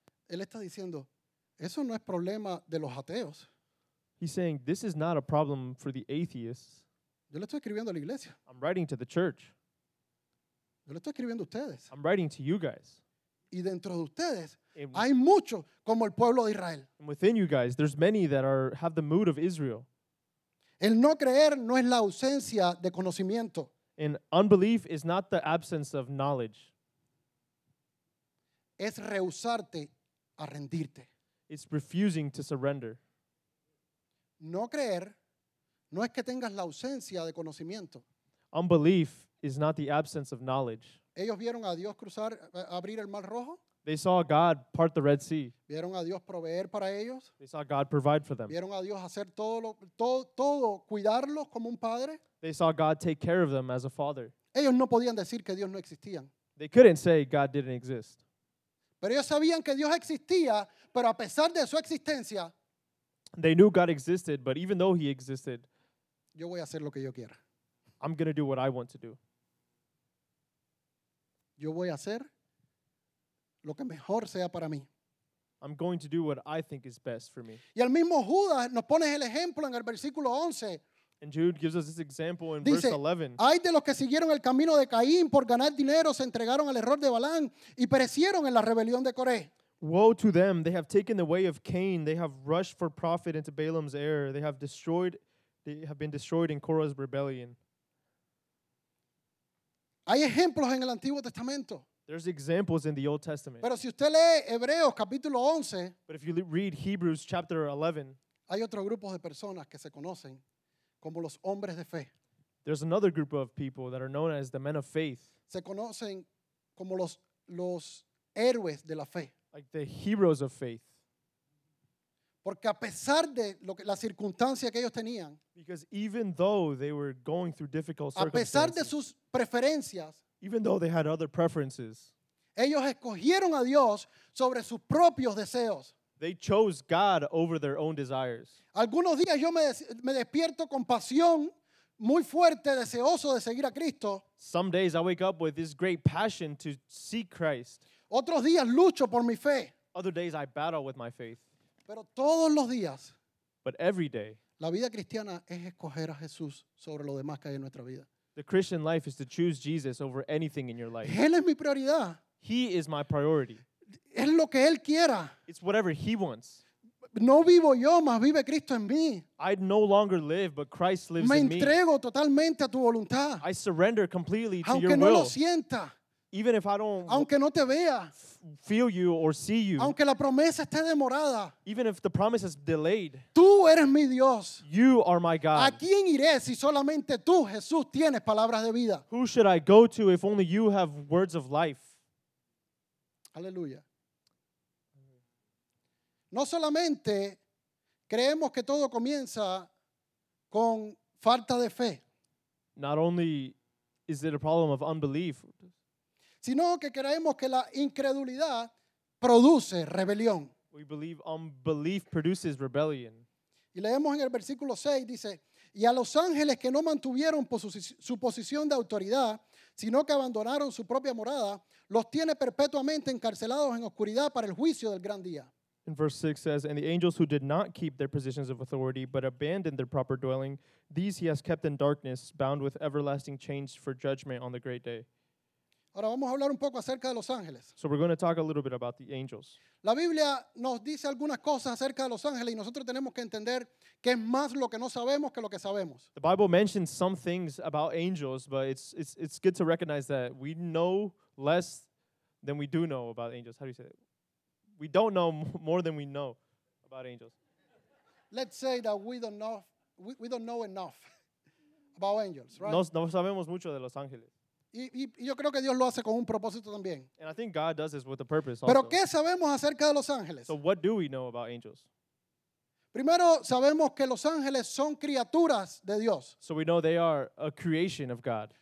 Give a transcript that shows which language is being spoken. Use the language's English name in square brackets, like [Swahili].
[Spanish] Él está diciendo, eso no es problema de los ateos. [English] He's saying, this is not a problem for the atheists. [Spanish] Yo le estoy escribiendo a la iglesia. [English] I'm writing to the church. [Spanish] Yo le estoy escribiendo a ustedes. [English] I'm writing to you guys. [Spanish] Y dentro de ustedes, hay muchos como el pueblo de Israel. [English] And within you guys, there's many that have the mood of Israel. [Spanish] El no creer no es la ausencia de conocimiento. [English] And unbelief is not the absence of knowledge. [Spanish] Es rehusarte a rendirte. [English] It's refusing to surrender. [Spanish] No creer no es que tengas la ausencia de conocimiento. [English] Unbelief is not the absence of knowledge. [Spanish] Ellos vieron a Dios cruzar, abrir el Mar Rojo. [English] They saw God part the Red Sea. [Spanish] Vieron a Dios proveer para ellos. [English] They saw God provide for them. [Spanish] Vieron a Dios hacer todo, cuidarlos como un padre. [English] They saw God take care of them as a father. [Spanish] Ellos no podían decir que Dios no existían. [English] They couldn't say God didn't exist. [Spanish] Pero ellos sabían que Dios existía, pero a pesar de su existencia. [English] They knew God existed, but even though he existed. [Spanish] Yo voy a hacer lo que yo quiera. [English] I'm going to do what I want to do. [Spanish] Yo voy a hacer lo que mejor sea para mí. [English] I'm going to do what I think is best for me. [Spanish] Y el mismo Judas nos pone el ejemplo en el versículo 11. [English] And Jude gives us this example in [Spanish] Dice, [English] verse 11. [Spanish] Hay de los que siguieron el camino de Caín por ganar dinero, se entregaron al error de Balán y perecieron en la rebelión de Coré. [English] Woe to them, they have taken the way of Cain, they have rushed for profit into Balaam's error, they have been destroyed in Korah's rebellion. [Spanish] Hay ejemplos en el Antiguo Testamento. [English] There's examples in the Old Testament. [Spanish] Pero si usted lee Hebreos capítulo 11, [English] but if you read Hebrews chapter 11, [Spanish] hay otro grupo de personas que se conocen como los hombres de fe. [English] There's another group of people that are known as the men of faith. [Spanish] Se conocen como los héroes de la fe. [English] Like the heroes of faith. [Spanish] Porque a pesar de la circunstancia que ellos tenían, [English] because even though they were going through difficult circumstances, [Spanish] a pesar de sus preferencias, [English] even though they had other preferences, [Spanish] ellos escogieron a Dios sobre sus propios deseos. [English] They chose God over their own desires. [Spanish] Algunos días yo me despierto con pasión muy fuerte, deseoso de seguir a Cristo. [English] Some days I wake up with this great passion to seek Christ. [Spanish] Otros días lucho por mi fe. [English] Other days I battle with my faith. [Spanish] Pero todos los días, [English] but every day, [Spanish] la vida cristiana es escoger a Jesús sobre lo demás que hay en nuestra vida. [English] The Christian life is to choose Jesus over anything in your life. [Spanish] Él es mi prioridad. [English] He is my priority. [Spanish] Es lo que Él quiera. [English] It's whatever He wants. [Spanish] No vivo yo, mas vive Cristo en mí. [English] I no longer live, but Christ lives me in me. [Spanish] Me entrego totalmente a tu voluntad. [English] I surrender completely to [Spanish] aunque [English] your [Spanish] no [English] will. [Spanish] Aunque no lo sienta. [English] Even if I don't [Spanish] aunque no te vea, [English] feel you or see you, [Spanish] aunque la promesa esté demorada, [English] even if the promise is delayed, [Spanish] tú eres mi Dios. [English] You are my God. [Spanish] ¿A quién iré si solamente tú, Jesús, tienes palabras de vida? [English] Who should I go to if only you have words of life? [Spanish] Aleluya. No solamente creemos que todo comienza con falta de fe. [English] Not only is it a problem of unbelief, [Spanish] sino que creemos que la incredulidad produce rebelión. [English] We believe unbelief produces rebellion. [Spanish] Y leemos en el versículo 6, dice, y a los ángeles que no mantuvieron su posición de autoridad, sino que abandonaron su propia morada, los tiene perpetuamente encarcelados en oscuridad para el juicio del gran día. [English] In verse 6 says, and the angels who did not keep their positions of authority but abandoned their proper dwelling, these he has kept in darkness, bound with everlasting chains for judgment on the great day. [Spanish] Ahora vamos a hablar un poco acerca de los ángeles. [English] So we're going to talk a little bit about the angels. [Spanish] La Biblia nos dice algunas cosas acerca de los ángeles y nosotros tenemos que entender que es más lo que no sabemos que lo que sabemos. [English] The Bible mentions some things about angels, but it's good to recognize that we know less than we do know about angels. How do you say that? We don't know more than we know about angels. Let's say that we don't know enough about angels, right? [Spanish] No sabemos mucho de los ángeles. Y yo creo que Dios lo hace con un propósito también. [English] And I think God does this with a purpose also. [Spanish] ¿Pero qué sabemos acerca de los ángeles? [English] So what do we know about angels? [Spanish] Primero, sabemos que los ángeles son criaturas de Dios. [English] So we know they are a creation of God.